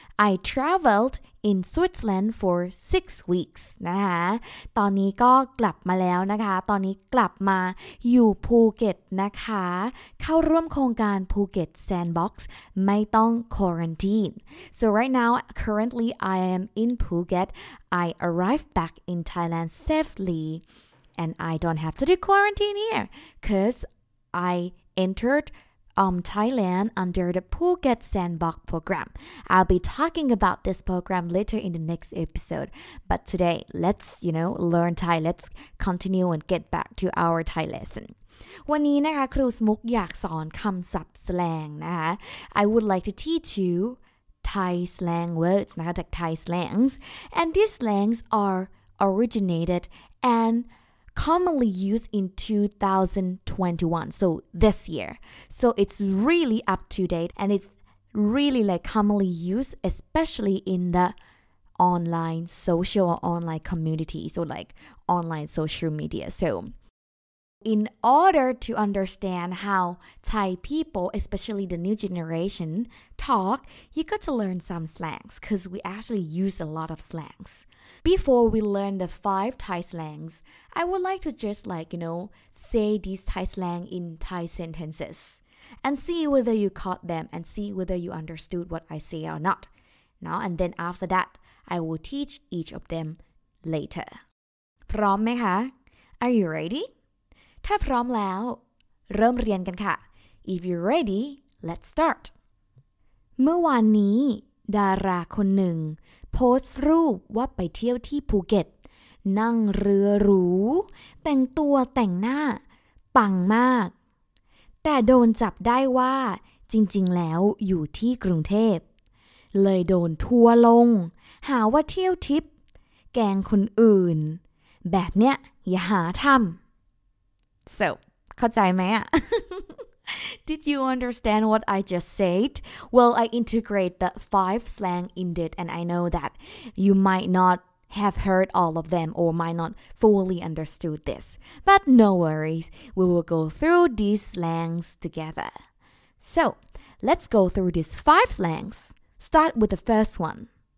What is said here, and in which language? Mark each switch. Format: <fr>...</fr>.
<en>I traveled in Switzerland for 6 weeks</en> <th>นะคะตอนนี้ก็กลับมาแล้วนะคะตอนนี้กลับมาอยู่ภูเก็ตนะคะเข้าร่วมโครงการภูเก็ตแซนด์บ็อกซ์ไม่ต้องควอรันทีน</th> <en>So right now currently I am in Phuket I arrived back in Thailand safely and I don't have to do quarantine here cuz I enteredThailand under the Phuket Sandbox program. I'll be talking about this program later in the next episode. But today, let's, you know, learn Thai. Let's continue and get back to our Thai lesson.</en> <th>วันนี้นะคะครูสมุกอยากสอนคำศัพท์สแลงนะคะ</th> <en>I would like to teach you Thai slang words</en> <th>นะคะจาก</th> <en>Thai slangs. And these slangs are originated andcommonly used in 2021, so this year. So it's really up to date and it's really like commonly used, especially in the online social or online communities or like online social media. So in order to understand how Thai people, especially the new generation, talk, you got to learn some slangs because we actually use a lot of slangs. Before we learn the five Thai slangs, I would like to just like, you know, say these Thai slang in Thai sentences and see whether you caught them and see whether you understood what I say or not. Now, and then after that, I will teach each of them later.</en> <th>พร้อมไหมคะ?</th> <en>Are you ready?</en> <th>ถ้าพร้อมแล้ว, เริ่มเรียนกันค่ะ.</th> <en>If you're ready, let's start.</en> <th>เมื่อวานนี้ดาราคนหนึ่งโพสต์รูปว่าไปเที่ยวที่ภูเก็ตนั่งเรือหรูแต่งตัวแต่งหน้าปังมากแต่โดนจับได้ว่าจริงๆแล้วอยู่ที่กรุงเทพเลยโดนทัวร์ลงหาว่าเที่ยวทิปแกงคนอื่นแบบเนี้ยอย่าหาทำ So เข้าใจไหมอ่ะ</th> <en>Did you understand what I just said? Well, I integrate the five slang in it, and I know that you might not have heard all of them or might not fully understood this. But no worries, we will go through these slangs together. So, let's go through these five slangs. Start with the first one.</en>